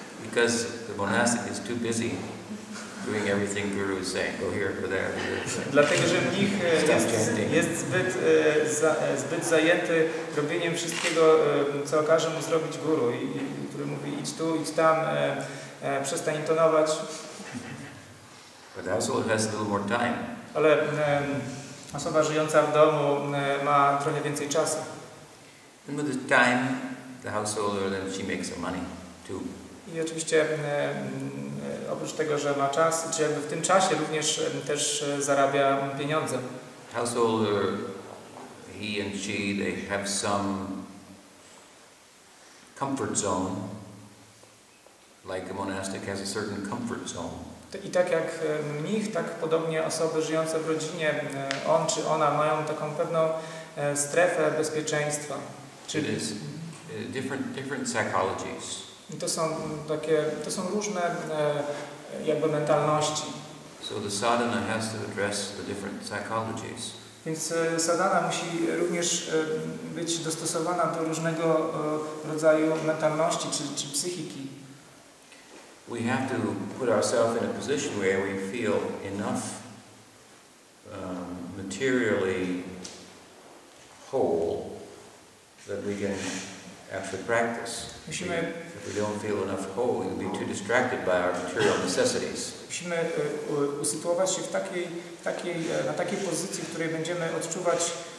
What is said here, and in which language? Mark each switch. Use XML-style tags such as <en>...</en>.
<en>Because the monastic is too busy doing everything guru is saying. Go here, go there.</en> <pl>Dlatego, że mnich jest zbyt zajęty robieniem wszystkiego, co każe mu zrobić guru, który mówi idź tu, idź tam, przestań intonować.</pl> <en>But the household has a little more time.</en> <pl>Ale osoba żyjąca w domu ma trochę więcej czasu.</pl> <en>And with the time, the householder then she makes some money too.</en> <pl>I oczywiście oprócz tego, że ma czas, czy jakby w tym czasie również też zarabia pieniądze.</pl> <en>The householder, he and she, they have some comfort zone, like a monastic has a certain comfort zone.</en> <pl>I tak jak mnich, tak podobnie osoby żyjące w rodzinie, on czy ona, mają taką pewną strefę bezpieczeństwa. Czyli</pl> <en>different psychologies.</en> <pl>I to są takie, to są różne jakby mentalności.</pl> <en>So the sadhana has to address the different psychologies.</en> <pl>Więc sadhana musi również być dostosowana do różnego rodzaju mentalności czy psychiki.</pl> <en>We have to put ourselves in a position where we feel enough materially whole that we can actually practice. If we don't feel enough whole, we'll be too distracted by our material necessities.</en> <pl>Musimy usytuować się w takiej pozycji, w której będziemy odczuwać</pl>